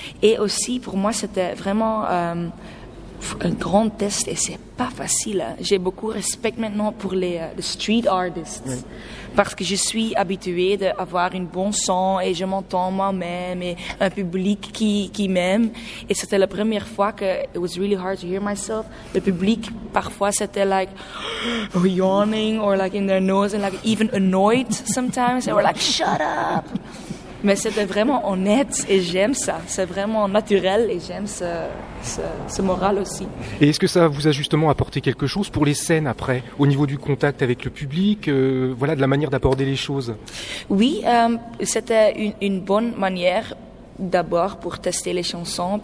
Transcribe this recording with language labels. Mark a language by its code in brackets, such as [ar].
[fr] Et aussi, pour moi, c'était vraiment un grand test et c'est pas facile. Hein. J'ai beaucoup respect maintenant pour les street artists. Oui. Parce que je suis habituée d'avoir un bon son et je m'entends moi-même et un public qui m'aime. Et c'était la première fois que [en] it was really hard to hear myself. [fr] Le public, parfois, c'était [en] like yawning or like in their nose and like even annoyed sometimes. They were like, shut up! [fr] Mais c'était vraiment honnête et j'aime ça. C'est vraiment naturel et j'aime ce moral aussi. Et est-ce que ça vous a justement apporté quelque chose pour les scènes après, au niveau du contact avec le public, voilà, de la manière d'aborder les choses? Oui, c'était une bonne manière d'abord pour tester les chansons.